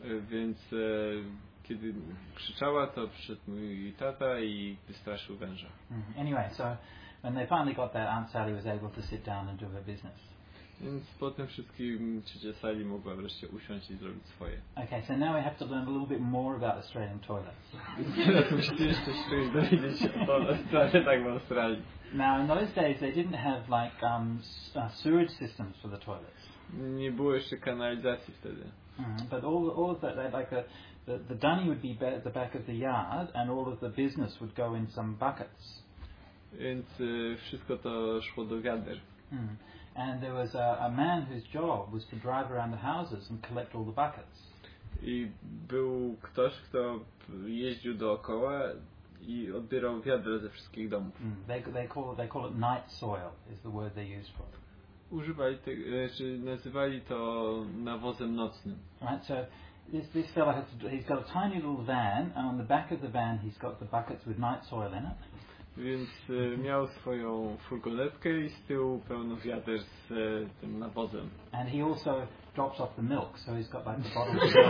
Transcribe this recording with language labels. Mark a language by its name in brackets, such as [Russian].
[Polish] Więc kiedy krzyczała, to przyszedł mój tata i wystraszył węża. [English] Anyway, so when they finally got that, Aunt Sally was able to sit down and do her business. [Polish] Więc po tym wszystkim ciocia Sally mogła wreszcie usiąść i zrobić swoje. [English] Okay, so now we have to learn a little bit more about Australian toilets. [Polish] Teraz musicie jeszcze dowiedzieć się o toaletach w Australii. [English] Now, in those days they didn't have like sewage systems for the toilets. [Polish] Nie było jeszcze kanalizacji wtedy. [English] But all of that, like the dunny would be at the back of the yard and all of the business would go in some buckets. [Polish] Więc wszystko to szło do wiader. Mm. [English] And there was a man whose job was to drive around the houses and collect all the buckets. [Polish] I był ktoś, kto jeździł dookoła i odbierał wiadra ze wszystkich domów. Mm. [English] They call it night soil is the word they use for. [Polish] Używali czy nazywali to nawozem nocnym. [English] Right, so this fellow has to, he's got a tiny little van and on the back of the van he's got the buckets with night soil in it. [Polish] Więc miał swoją furgonetkę i z tyłu pełno wiader z tym nawozem. [English] And he also drops off the milk, so he's got like the bottle.